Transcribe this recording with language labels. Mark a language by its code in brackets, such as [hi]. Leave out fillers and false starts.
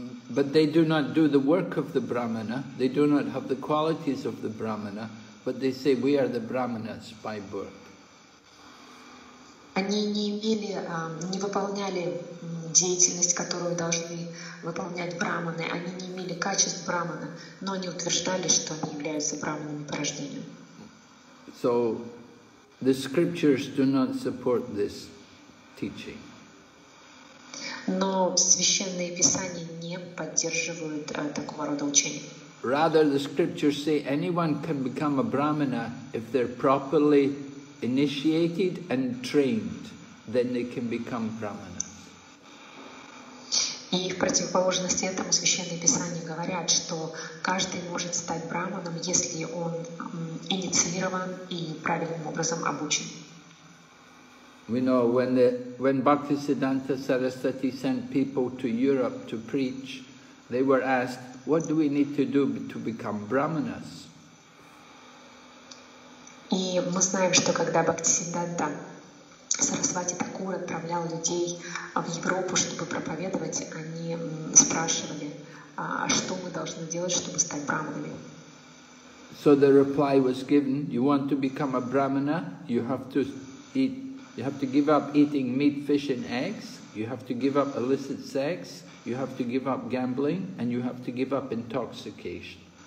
[en] But they do not do the work of the brahmana, they do not have the qualities of the brahmana, but they say we are the brahmanas by birth. [ru] Они не имели, не выполняли деятельность, которую должны выполнять брахманы, они не имели качеств брахмана, но они утверждали, что они являются брахманами по рождению. [en] So, the scriptures do not support this teaching. [ru] Но священные писания не поддерживают такого рода учения. [en] Rather, the scriptures say anyone can become a brahmana if they're properly initiated and trained, then they can become brahmana. [ru] И в противоположности этому священные писания говорят, что каждый может стать брахманом, если он инициирован и правильным образом обучен. [en] We know when Bhaktisiddhanta Sarasvati sent people to Europe to preach, they were asked, what do we need to do to become brahmanas? [ru] И мы знаем, что когда Бхактисиддханта Сарасвати Такур отправлял людей в Европу, чтобы проповедовать, они спрашивали, что мы должны делать, чтобы стать брахманами. [en] So the reply was given, you want to become a brahmana, you have to eat, you have to give up eating meat, fish and eggs, you have to give up illicit sex, you have to give up gambling, and you have to give up intoxication.